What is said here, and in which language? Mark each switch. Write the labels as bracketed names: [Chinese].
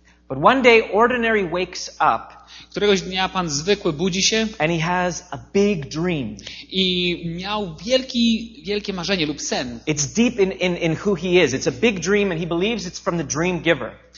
[English] But one day Ordinary wakes up. [Polish] Któregoś dnia pan Zwykły budzi się. [English] And he has a big dream. [Polish] I miał wielkie marzenie lub sen. [English] It's deep in who he is. It's a big dream and he believes it's from the dream giver.